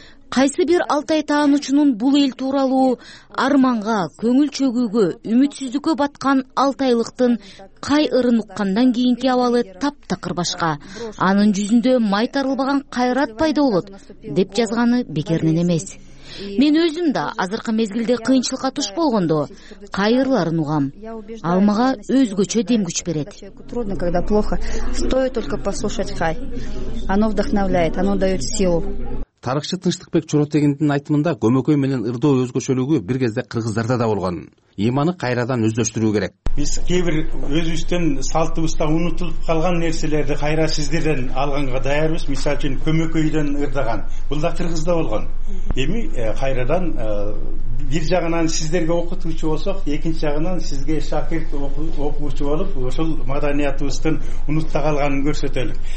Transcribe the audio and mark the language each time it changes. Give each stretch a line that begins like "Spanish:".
Kyrgyz: Кайсы бир Алтай таанычунун бул эл тууралуу арманга, көңүл чөгүүгө, үмүтсүздүккө баткан алтайлыктын кай ырын уккандан кийинки абалы таптакыр башка. Анын жүзүндө майтарылбаган кайрат пайда болот деп жазганы бекернен эмес. Мен өзүм да азыркы мезгилде кыйынчылыкка туш болгондо кайырларын угам. Ал мага өзгөчө дем күч берет.
Russian: Трудно, когда плохо. Стоит только послушать кай. Оно вдохновляет, оно даёт силу.
Kyrgyz: Тарыхчы Тынчтыкбек Чоротегиндин айтымында көмөкөй менен ырдоо өзгөчөлүгү бир кезде кыргыздарда да болгон. Эманы кайрадан өздөштүрүү керек. Биз кээбир өзүбүздөн салтыбызда унутулуп калган нерселерди кайра сиздерден алганга даярбыз. Мисалы үчүн көмөкөйдөн ырдаган. Бул да кыргызда болгон. Эми кайрадан бир жагынан сиздерге окутуучу болсок, экинчи жагынан сизге шакирт окуучу болуп, ошол маданиятыбыздын унутта калганын көрсөтөлүк.